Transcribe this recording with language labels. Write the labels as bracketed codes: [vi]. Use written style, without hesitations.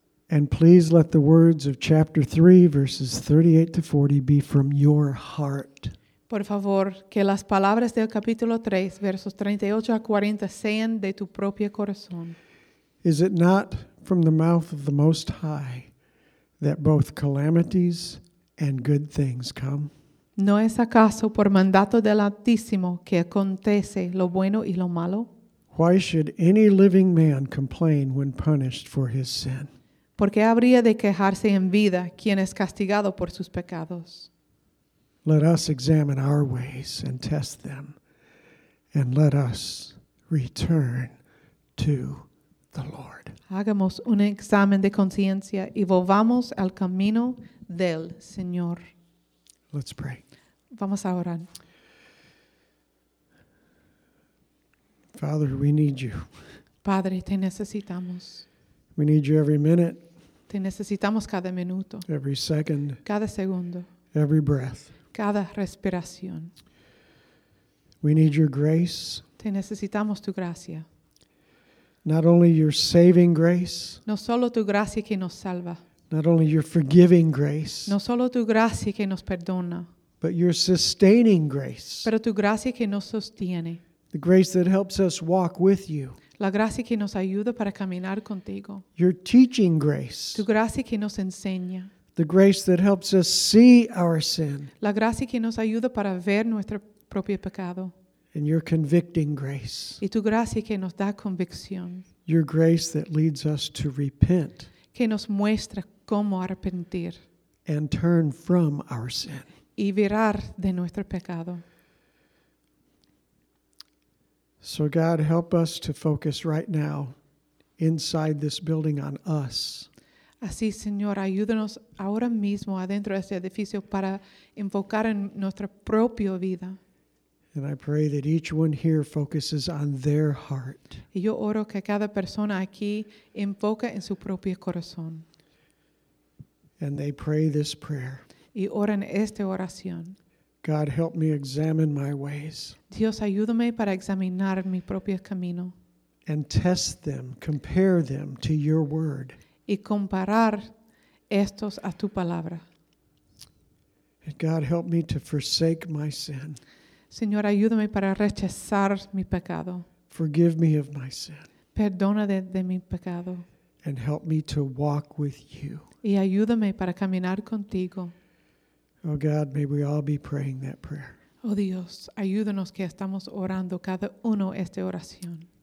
[en] And please let the words of chapter 3, verses 38 to 40, be from your heart. [es] Por favor, que las palabras del capítulo 3, versos 38 a 40, sean de tu propio corazón. [en] Is it not from the mouth of the Most High that both calamities and good things come? [es] ¿No es acaso por mandato del Altísimo que acontece lo bueno y lo malo? [en] Why should any living man complain when punished for his sin? [es] ¿Por qué habría de quejarse en vida quien es castigado por sus pecados? [en] Let us examine our ways and test them, and let us return to the Lord. [es] Hagamos un examen de conciencia y volvamos al camino del Señor. [en] Let's pray. [es] Vamos a orar. [en] Father, we need you. [es] Padre, te necesitamos. [en] We need you every minute. [es] Te necesitamos cada minuto. [en] Every second. [es] Cada segundo. [en] Every breath. [es] Cada respiración. [en] We need your grace. [es] Te necesitamos tu gracia. [en] Not only your saving grace. [es] No solo tu gracia que nos salva. [en] Not only your forgiving grace. [es] No solo tu gracia que nos perdona. [en] But your sustaining grace. [es] Pero tu gracia que nos sostiene. [en] The grace that helps us walk with you. [es] La gracia que nos ayuda para caminar contigo. [en] Your teaching grace. [es] Tu gracia que nos enseña. [en] The grace that helps us see our sin. [es] La gracia que nos ayuda para ver nuestro propio pecado. [en] And your convicting grace. [es] Y tu gracia que nos da convicción. [en] Your grace that leads us to repent. [es] Que nos muestra cómo arrepentir. [en] And turn from our sin. [es] Y virar de nuestro pecado. [en] So God, help us to focus right now inside this building on us. [es] Así, Señor, ayúdanos ahora mismo adentro de este edificio para enfocar en nuestra propia vida. [en] And I pray that each one here focuses on their heart. [es] Y yo oro que cada persona aquí enfoque en su propio corazón. [en] And they pray this prayer. [es] Y oran esta oración. [en] God, help me examine my ways. [es] Dios, ayúdame para examinar mi propio camino. [en] And test them, compare them to your word. [es] Y comparar estos a tu palabra. [en] And God, help me to forsake my sin. [es] Señor, ayúdame para rechazar mi pecado. [en] Forgive me of my sin. [es] Perdona de mi pecado. [en] And help me to walk with you. [es] Y ayúdame para caminar contigo. [en] Oh God, may we all be praying that prayer. [es] Oh Dios, ayúdanos que estamos orando cada uno esta oración.